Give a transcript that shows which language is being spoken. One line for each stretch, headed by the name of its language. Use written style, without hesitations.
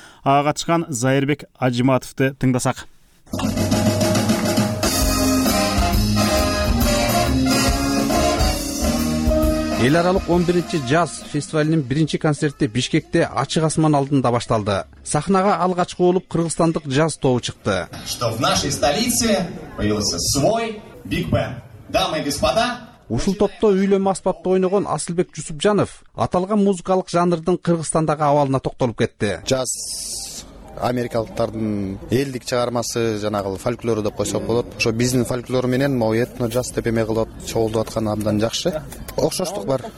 Kyrgyz: Ага катышкан Зайырбек Ажыматовду тыңдасак. Эл аралык 11-ci жаз фестивалинин 1-ci концерти Бишкекте ачык асман алдында башталды. Сахнага алгачкы болуп кыргызстандык жаз тобу чыкты.
Russian: Что в нашей столице появился свой биг бэнд. Дамы и господа,
Kyrgyz: ушул топто үйлөмө аспапта ойногон Асылбек Жусупжанов аталган музыкалык жанрдын кыргызстандагы абалына токтолуп кетти. Жаз америкалыктардын элдик чыгармасы, жанагыл фольклору деп койсок болот. Ошо биздин фольклор менен
Russian: могу
Kyrgyz: этно жаз деп эме кылып чогултуп аткан абдан жакшы. Окшоштук бар.